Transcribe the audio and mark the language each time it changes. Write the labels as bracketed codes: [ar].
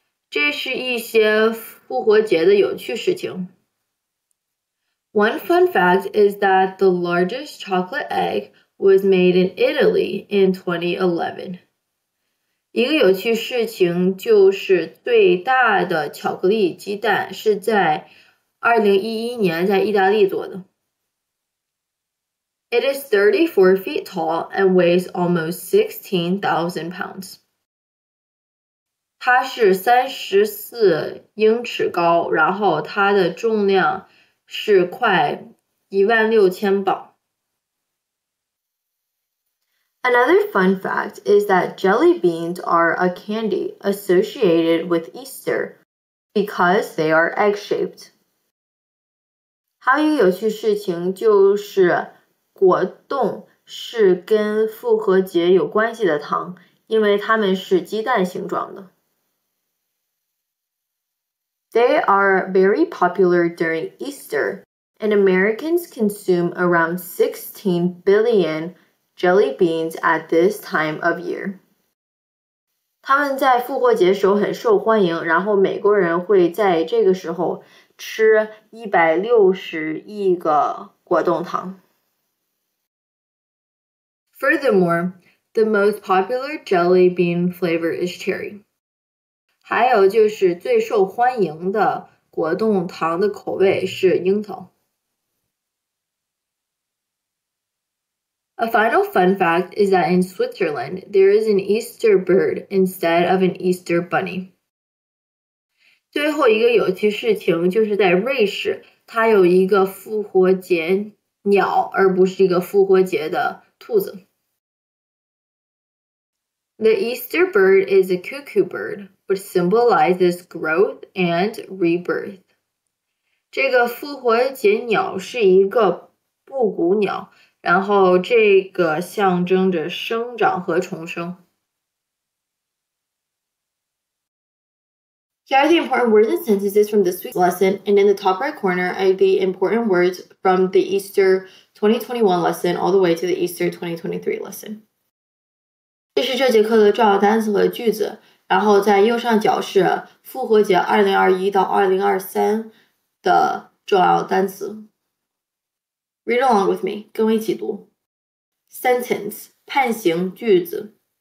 [zh] 这是一些复活节的有趣事情。 [en] One fun fact is that the largest chocolate egg was made in Italy in 2011. [zh] 一个有趣事情就是最大的巧克力鸡蛋是在 2011年在意大利做的。 [en] It is 34 feet tall and weighs almost 16,000 pounds. [zh] 它是34英尺高，然后它的重量是快16,000磅。 [en] Another fun fact is that jelly beans are a candy associated with Easter because they are egg-shaped. [zh] 还有一个有趣事情就是果冻是跟复活节有关系的糖，因为它们是鸡蛋形状的。 [en] They are very popular during Easter, and Americans consume around 16 billion jelly beans at this time of year. [zh] 它们在复活节时候很受欢迎，然后美国人会在这个时候吃160亿个果冻糖。 [en] Furthermore, the most popular jelly bean flavor is cherry. [zh] 还有就是最受欢迎的果冻糖的口味是樱桃。 [en] A final fun fact is that in Switzerland, there is an Easter bird instead of an Easter bunny. [zh] 最后一个有趣事情就是在瑞士，它有一个复活节鸟，而不是一个复活节的兔子。 [en] The Easter bird is a cuckoo bird, which symbolizes growth and rebirth. [zh] 这个复活节鸟是一个布谷鸟，然后这个象征着生长和重生。 [en] Here are the important words and sentences from this week's lesson, and in the top right corner are the important words from the Easter 2021 lesson all the way to the Easter 2023 lesson. [zh] 这是这节课的重要单词和句子，然后在右上角是复活节2021到2023的重要单词。 [en] Read along with me, [zh] 跟我一起读。 Sentence, 判刑句子。